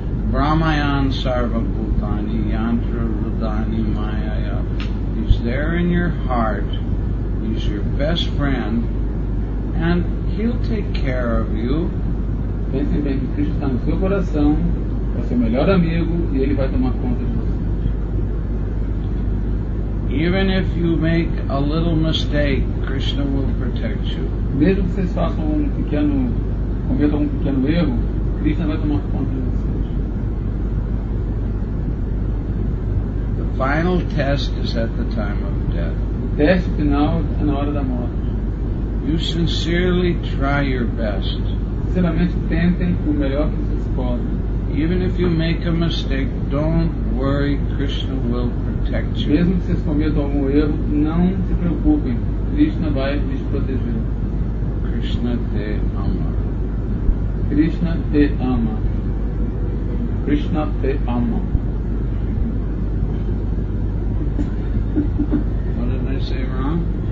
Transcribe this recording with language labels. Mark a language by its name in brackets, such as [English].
[Sanskrit] Brahmayan sarva bhutani yantra rudani mayaya. [English] He's there in your heart. He's your best friend. And he'll take care of you. [Portuguese] Pense bem que Krishna está no seu coração. É seu melhor amigo e ele vai tomar conta de você. [English] Even if you make a little mistake, Krishna will protect you. [Portuguese] Mesmo que vocês façam cometam um pequeno erro, Krishna vai tomar conta de vocês. [English] The final test is at the time of death. [Portuguese] O teste final é na hora da morte. [English] You sincerely try your best. [Portuguese] Sinceramente tentem o melhor que vocês podem. [English] Even if you make a mistake, don't worry, Krishna will protect you. [Portuguese] Mesmo que vocês cometam algum erro, não se preocupem. Krishna vai lhes proteger. Krishna te ama. Krishna te ama. Krishna te ama. [English] What did I say wrong?